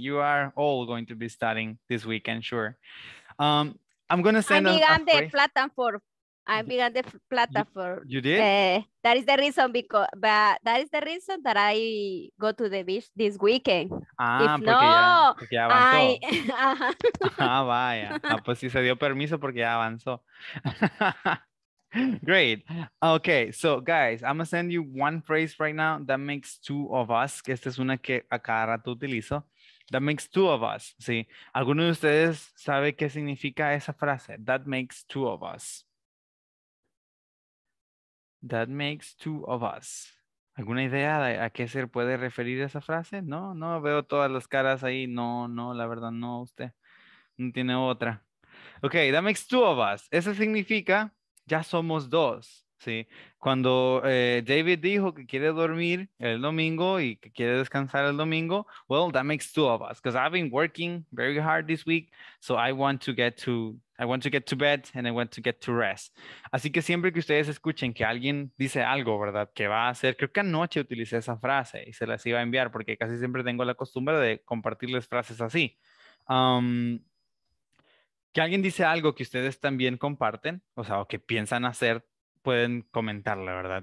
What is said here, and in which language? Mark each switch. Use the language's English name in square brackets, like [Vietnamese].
[English] You are all going to be studying this weekend, sure. I'm going to send I began the platform. I began the platform. You did? That is the reason that I go to the beach this weekend. Ah, if [Spanish] porque ya avanzó. Ah, vaya. Ah, pues sí, se dio permiso porque ya avanzó. [English] Great. Okay, so guys, I'm gonna send you one phrase right now that makes two of us. [Spanish] Que esta es una que a cada rato utilizo. [English] That makes two of us. [Spanish] ¿Sí? ¿Alguno de ustedes sabe qué significa esa frase? [English] That makes two of us. That makes two of us. [Spanish] ¿Alguna idea de a qué se puede referir esa frase? No, no veo todas las caras ahí. No, no, la verdad no, usted no tiene otra. [English] Okay, that makes two of us. [Spanish] Eso significa ya somos dos, ¿sí? Cuando David dijo que quiere dormir el domingo y que quiere descansar el domingo, [English] well, that makes two of us, because I've been working very hard this week, so I want to get to bed and I want to get to rest. [Spanish] Así que siempre que ustedes escuchen que alguien dice algo, ¿verdad? Que va a hacer, creo que anoche utilicé esa frase y se las iba a enviar porque casi siempre tengo la costumbre de compartirles frases así. Que alguien dice algo que ustedes también comparten, o sea, o que piensan hacer, pueden comentarle, ¿verdad?